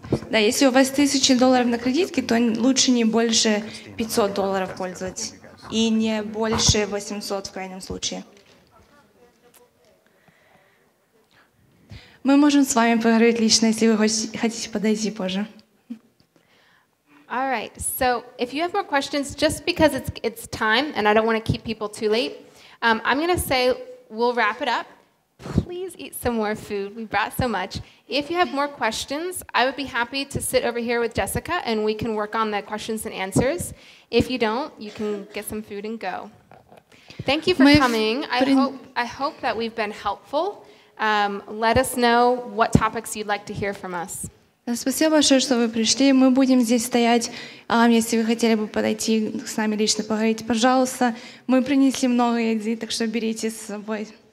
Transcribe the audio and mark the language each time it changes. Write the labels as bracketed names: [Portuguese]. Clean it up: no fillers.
[Russian] Да, если у вас $1000 на кредитке, то лучше не больше $500 пользовать. И не больше 800 в крайнем случае. Мы можем с вами поговорить лично, если вы хотите подойти позже. [English] All right. So, if you have more questions, just because it's time and I don't want to keep people too late, I'm going to say we'll wrap it up. Please eat some more food. We brought so much. If you have more questions, I would be happy to sit over here with Jessica and we can work on the questions and answers. If you don't, you can get some food and go. Thank you for coming. I hope that we've been helpful. Let us know what topics you'd like to hear from us. [Russian] Спасибо большое, что вы пришли. Мы будем здесь стоять. Если вы хотели бы подойти с нами лично поговорить, пожалуйста. Мы принесли много еды, так что берите с собой.